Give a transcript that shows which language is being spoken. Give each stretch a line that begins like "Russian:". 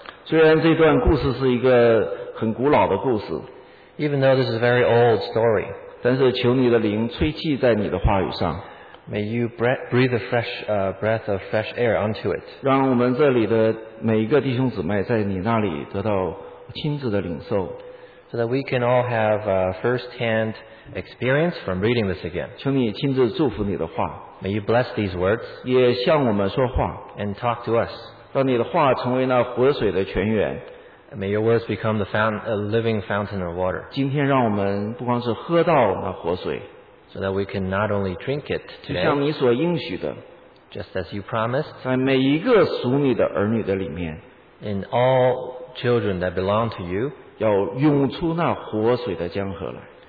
Chinese: 虽然这段故事是一个很古老的故事
English: ，Even though this is a very old story，
Chinese: 但是求你的灵吹气在你的话语上。
English: May you breathe a fresh breath of fresh air onto it.
Chinese: 让我们这里的每一个弟兄姊妹在你那里得到亲自的领受。
English: So that we can all have a first-hand experience from reading this again.
Chinese: 求你亲自祝福你的话。
English: May you bless these words.
Chinese: 也向我们说话。
English: And talk to us.
Chinese: 让你的话成为那活水的泉源。
English: May your words become the a living fountain of water.
Chinese: 今天让我们不光是喝到那活水。
English: So that we can not only drink it today.
Chinese: 就像你所应许的。
English: Just as you promised.
Chinese: 在每一个属你的儿女的里面。
English: In all children that belong to you.
Chinese: 要涌出那活水的江河来